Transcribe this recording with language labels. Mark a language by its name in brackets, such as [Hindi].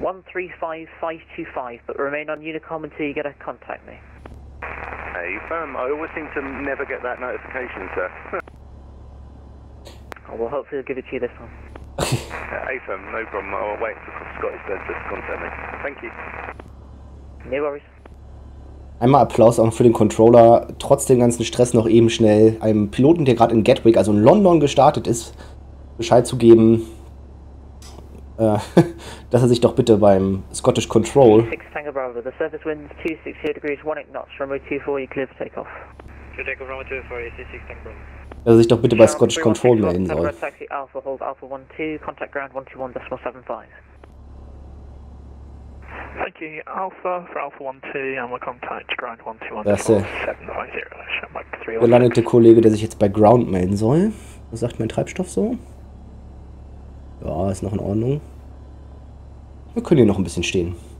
[English] 135525, but remain on Unicom until you get a contact me. Hey, firm. I always seem to never get that notification, sir. Oh, well, hopefully they'll give it to you this one. Hey, firm. No problem. I'll wait until Scottish Bird just contact me. Thank you. No worries. [German] Einmal Applaus auch für den Controller, trotz dem ganzen Stress noch eben schnell einem Piloten, der gerade in Gatwick, also in London gestartet ist, Bescheid zu geben, dass er sich doch bitte beim Scottish Control... [English] 6 Tango Bravo, the surface winds 260 degrees, 18 knots, runway 24, you clear for takeoff. Clear takeoff, runway 24, you see 6 Tango Bravo. [German] Dass er sich doch bitte bei Scottish Control melden soll. [English] Taxi Alpha, hold Alpha 12, contact ground 121.75. Thank you, Alpha, for Alpha 12, and we'll contact Ground 121.750. [German] Der landete Kollege, der sich jetzt bei Ground melden soll. Was sagt mein Treibstoff so? Ja, ist noch in Ordnung. Wir können hier noch ein bisschen stehen.